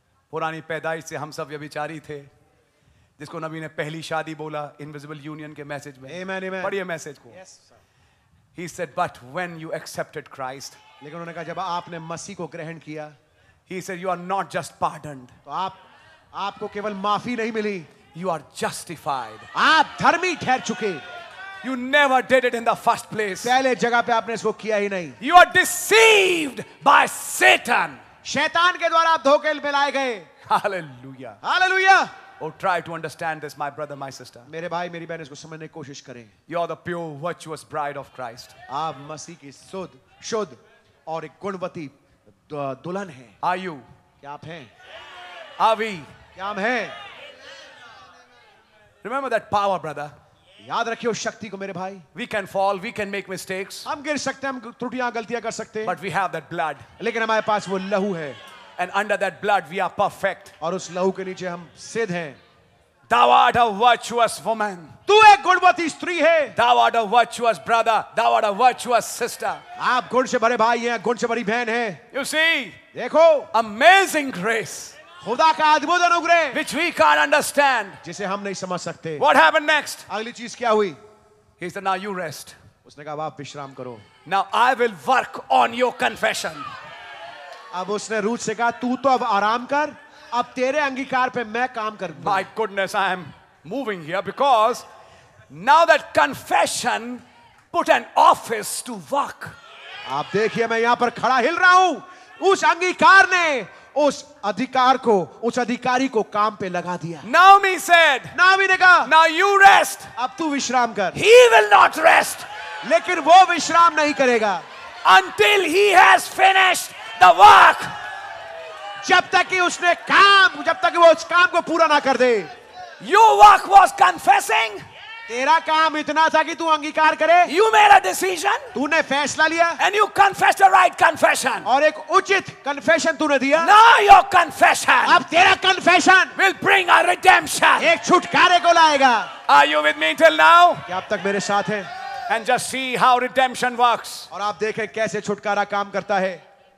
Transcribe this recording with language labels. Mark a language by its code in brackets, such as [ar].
[hi] पुरानी पैदाइश से हम सब व्यभिचारी थे. जिसको नबी ने पहली शादी बोला इनविजिबल यूनियन के मैसेज में. [en] Amen, amen. [hi] पढ़िए मैसेज को. [en] Yes, he said, but when you accepted Christ, [hi] लेकिन उन्होंने कहा जब आपने मसीह को ग्रहण किया. [en] he said, you are not just pardoned, [hi] तो आप आपको केवल माफी नहीं मिली. [en] you are justified, [hi] आप धर्मी ठहर चुके. [en] You never did it in the first place. [hi] पहले जगह पे आपने इसको किया ही नहीं. [en] You are deceived by Satan. [hi] शैतान के द्वारा आप धोखे में लाए गए. [en] Hallelujah. Hallelujah. Oh, try to understand this, my brother, my sister. [hi] मेरे भाई मेरी बहन इसको समझने की कोशिश करें. [en] You are the pure, virtuous bride of Christ. [hi] आप मसीह की शुद्ध, शुद्ध और एक गुणवती दुल्हन हैं. [en] Are you? [hi] क्या आप हैं? [en] Are we? [hi] क्या हम हैं? [en] Remember that power, brother. [hi] याद रखिए उस शक्ति को मेरे भाई. [en] We can fall, we can make mistakes. [hi] हम गिर सकते हैं, हम त्रुटियां गलतियां कर सकते हैं. [en] But we have that blood. [hi] लेकिन हमारे पास वो लहू है. [en] And under that blood we are perfect. [hi] और उस लहू के नीचे हम सिद्ध हैं. [en] Thou art a virtuous woman. [hi] तू एक गुणवती स्त्री है. [en] Thou art a virtuous brother. Thou art a virtuous sister. [hi] आप गुण से भरे भाई हैं, गुण से भरी बहन हैं. [en] You see? [hi] देखो. [en] Amazing grace. [hi] खुदा का अद्भुत अनुग्रह. [en] Which we can't understand. [hi] जिसे हम नहीं समझ सकते. [en] What happened next? [hi] अगली चीज क्या हुई? [en] He said, now you rest. [hi] उसने कहा आप विश्राम करो. [en] Now I will work on your confession. [hi] अब उसने रूथ से कहा तू तो अब आराम कर, अब तेरे अंगीकार पे मैं काम करूंगा. [en] My goodness, I am moving here because now that confession put an office to work. [hi] आप देखिए मैं यहां पर खड़ा हिल रहा हूं. उस अंगीकार ने उस अधिकार को, उस अधिकारी को काम पे लगा दिया. [en] Naomi said, [hi] Naomi ने कहा, [en] now you rest. [hi] अब तू विश्राम कर. [en] He will not rest. [hi] लेकिन वो विश्राम नहीं करेगा. [en] Until he has finished the work. [hi] जब तक कि उसने काम, जब तक वो उस काम को पूरा ना कर दे. [en] Your work was confessing. [hi] तेरा काम इतना था कि तू अंगीकार करे. [en] You made a decision. [hi] तूने फैसला लिया. [en] And you confessed a right confession. [hi] और एक उचित confession तूने दिया. [en] Now your confession. [hi] अब तेरा confession. [en] Will bring a redemption. [hi] एक छुटकारे को लाएगा. [en] Are you with me till now? [hi] क्या अब तक मेरे साथ हैं? [en] And just see how redemption works. [hi] और आप देखें कैसे छुटकारा काम करता है.